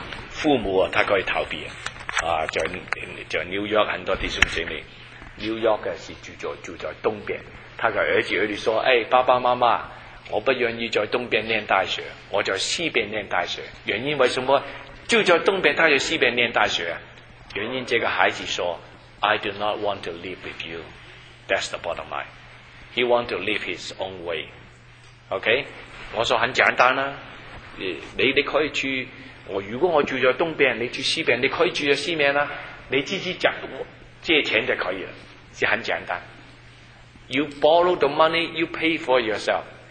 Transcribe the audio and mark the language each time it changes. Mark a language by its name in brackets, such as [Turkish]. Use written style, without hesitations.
[Chinese] 父母啊，他可以逃避啊，在纽约很多弟兄姊妹，纽约嘅是住在东边，他嘅儿子儿女说：，哎，爸爸妈妈，我不愿意在东边念大学，我在西边念大学。原因为什么？住在东边，他在西边念大学。原因这个孩子说 [English] ：，I do not want to live with you. That's the bottom line. He want to live his own way. [Chinese] OK， 我说很简单啦、啊，你可以去。我如果我住在东边，你住西边，你可以住在西边啦、啊。你自己讲，我借钱就可以了，是很简单。 [English] You borrow the money, you pay for yourself.